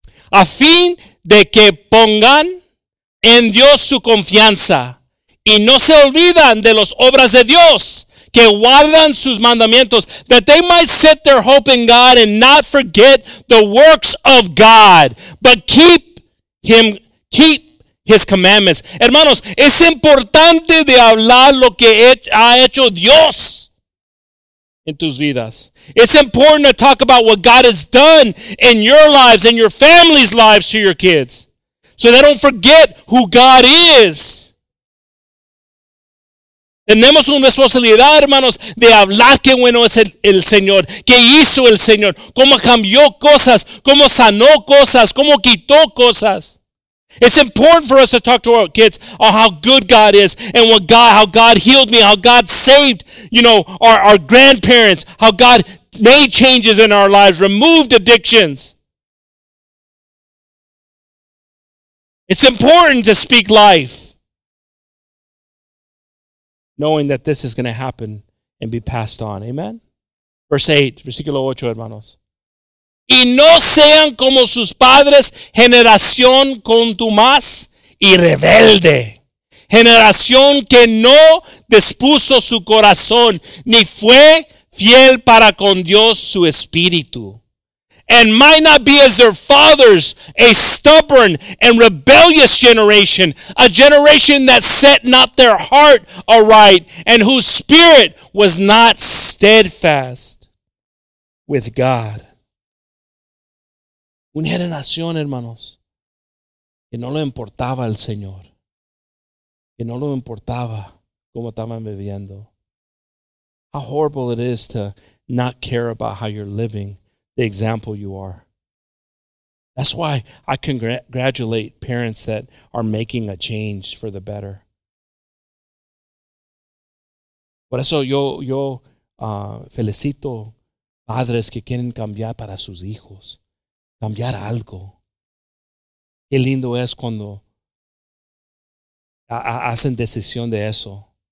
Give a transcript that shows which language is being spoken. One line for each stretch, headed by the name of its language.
Spanish: A fin de que pongan en Dios su confianza y no se olvidan de las obras de Dios, que guardan sus mandamientos,
English: that they might set their hope in God and not forget the works of God, but keep his commandments.
Spanish: Hermanos, es importante de hablar lo que ha hecho Dios en tus vidas.
English: It's important to talk about what God has done in your lives and your family's lives to your kids, so they don't forget who God is.
Spanish: Tenemos una responsabilidad, hermanos, de hablar qué bueno es el Señor, qué hizo el Señor, cómo cambió cosas, cómo sanó cosas, cómo quitó cosas.
English: It's important for us to talk to our kids on how good God is and what God, how God healed me, how God saved, you know, our grandparents, how God made changes in our lives, removed addictions. It's important to speak life, knowing that this is going to happen and be passed on. Amen? Verse 8,
Spanish: versículo 8, hermanos. Y no sean como sus padres, generación contumaz y rebelde. Generación que no dispuso su corazón, ni fue fiel para con Dios su espíritu.
English: And might not be as their fathers, a stubborn and rebellious generation, a generation that set not their heart aright, and whose spirit was not steadfast with God.
Spanish: Una generación, hermanos, que no le importaba al Señor, que no le importaba cómo estaban viviendo.
English: How horrible it is to not care about how you're living, the example you are. That's why I congratulate parents that are making a change for the better.
Spanish: Por eso yo felicito padres que quieren cambiar para sus hijos. Cambiar algo. Qué lindo es cuando hacen decisión de eso.